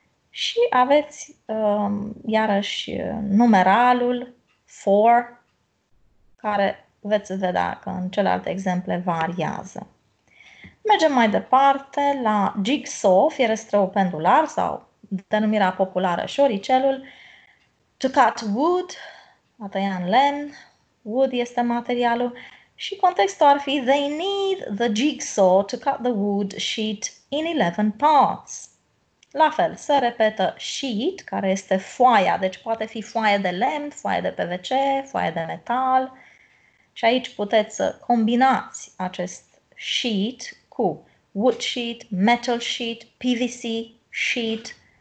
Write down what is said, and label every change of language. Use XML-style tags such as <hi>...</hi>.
<ro>Și aveți iarăși numeralul 4, care veți vedea că în celelalte exemple variază. Mergem mai departe la jigsaw, fierăstrău pendular sau denumirea populară șoricelul.</ro> <en>To cut wood,</en> <ro>a tăia în lemn, wood este materialul. Și contextul ar fi</ro> <en>they need the jigsaw to cut the wood sheet in 11 parts.</en> <ro>La fel, se repetă sheet, care este foaia, deci poate fi foaie de lemn, foaie de PVC, foaie de metal. Și aici puteți să combinați acest sheet cu wood sheet, metal sheet, PVC sheet.</ro>